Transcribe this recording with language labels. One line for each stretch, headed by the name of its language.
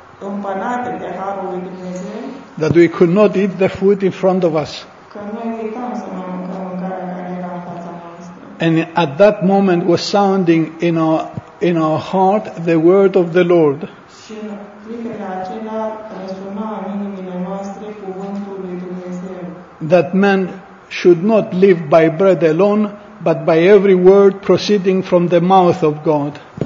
Romanian: Împănate de harul lui Dumnezeu,
English: that we could not eat the food in front of us.
Romanian: Că noi uitam să mâncăm mâncarea care era în fața noastră.
English: And at that moment was sounding in our heart the word of the Lord.
Romanian: Și în clipele acelea răsuna în inimile noastre cuvântul lui Dumnezeu.
English: That man should not live by bread alone, but by every word proceeding from the mouth of God.